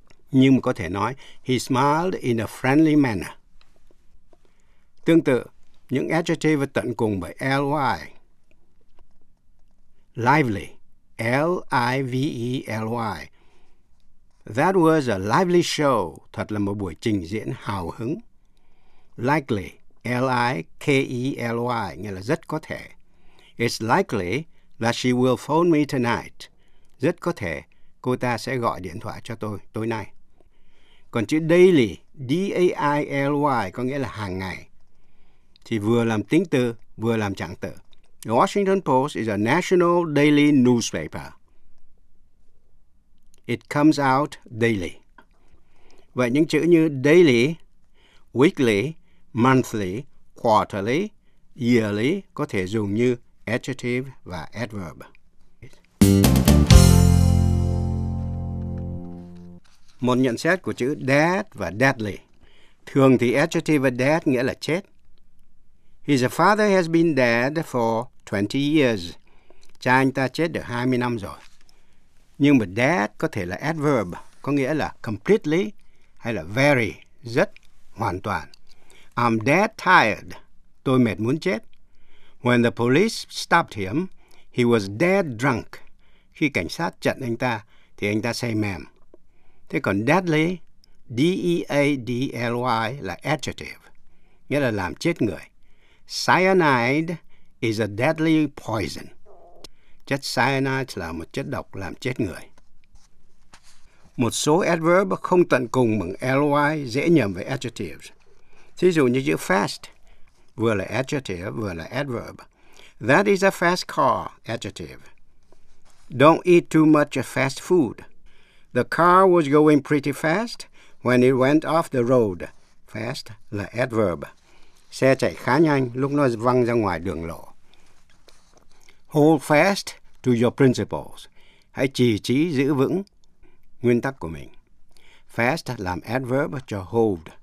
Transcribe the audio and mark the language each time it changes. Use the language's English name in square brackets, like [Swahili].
[Vietnamese] Nhưng có thể nói, [English] he smiled in a friendly manner. [Vietnamese] Tương tự, những adjective tận cùng bởi L-Y. [English] Lively, L-I-V-E-L-Y. That was a lively show. [Vietnamese] Thật là một buổi trình diễn hào hứng. Likely, L-I-K-E-L-Y, nghĩa là rất có thể. [English] It's likely that she will phone me tonight. [Vietnamese] Rất có thể cô ta sẽ gọi điện thoại cho tôi tối nay. Còn chữ daily, D-A-I-L-Y, có nghĩa là hàng ngày. Thì vừa làm tính từ, vừa làm trạng từ. [English] The Washington Post is a national daily newspaper. It comes out daily. [Vietnamese] Vậy những chữ như daily, weekly, monthly, quarterly, yearly có thể dùng như adjective và adverb. Một nhận xét của chữ dead và deadly. Thường thì adjective dead nghĩa là chết. [English] His father has been dead for 20 years. [Vietnamese] Cha anh ta chết được 20 năm rồi. Nhưng mà dead có thể là adverb, có nghĩa là completely hay là very, rất, hoàn toàn. [English] I'm dead tired. [Vietnamese] Tôi mệt muốn chết. [English] When the police stopped him, he was dead drunk. [Vietnamese] Khi cảnh sát chặn anh ta, thì anh ta say mềm. Thế còn deadly, D-E-A-D-L-Y là adjective, nghĩa là làm chết người. [English] Cyanide is a deadly poison. [Vietnamese] Chất cyanide là một chất độc làm chết người. Một số adverb không tận cùng bằng ly dễ nhầm với adjectives. Thí dụ như chữ fast, vừa là adjective vừa là adverb. [English] That is a fast car, adjective. Don't eat too much fast food. The car was going pretty fast when it went off the road. [Vietnamese] Fast là adverb. Xe chạy khá nhanh lúc nó văng ra ngoài đường lộ. [English] Hold fast to your principles. [Vietnamese] Hãy trì trí giữ vững nguyên tắc của mình. Fast làm adverb cho hold.